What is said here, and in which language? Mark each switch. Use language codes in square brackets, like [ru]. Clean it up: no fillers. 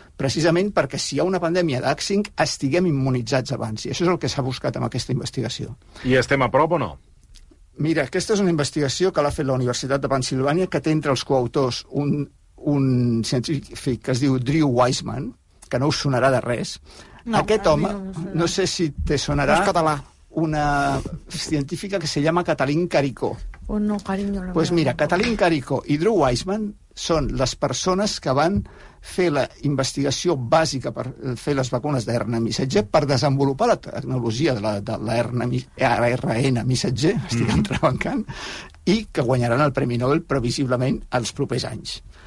[ca] Precisament perquè si hi ha una pandèmia d'H5, estiguem immunitzats abans. I això és el que s'ha buscat amb aquesta investigació. I estem a prop o no? Mira, aquesta és una investigació que l'ha fet la Universitat de Pennsilvània, que té entre els coautors un científic que es diu Drew Weissman, que no us sonarà de res. No, aquest home, no sé si te sonarà... No és català. [es] Una científica que se llama Catalín Caricó. No, cariño. Pues mira, [ca] Catalín Caricó i Drew Weissman són les persones que van fer la investigació bàsica per fer les vacunes d'RNA missatger per desenvolupar la tecnologia de l'ARN missatger, estic entrebancant, i que guanyaran el Premi Nobel previsiblement els propers anys.